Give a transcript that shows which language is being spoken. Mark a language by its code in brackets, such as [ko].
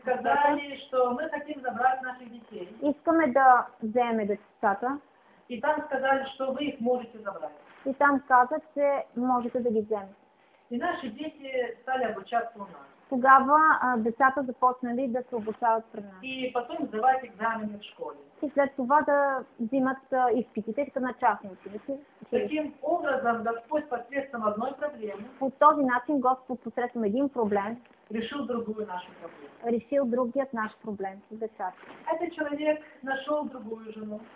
[ru] те. И сказали, что мы хотим забрать наших детей. [bg] Искаме да вземем децата. [ru] И там сказали, что вы их можете забрать. [bg] И там казат, че можете да ги вземете. [ru] И наши дети стали обучаться у нас. [bg] Тогава децата започнали да се обучават при нас. [ru] И потом сдавать экзамены в школе. [bg] И след това да взимат изпитите са на частни училища. [ru] Таким образом Господь посредством одной проблемы. [bg] По този начин Господ посредством един проблем. [ru] Решил другую нашу проблему. [bg] Решил другият наш проблем с децата. [ru] Этот человек нашел другую жену.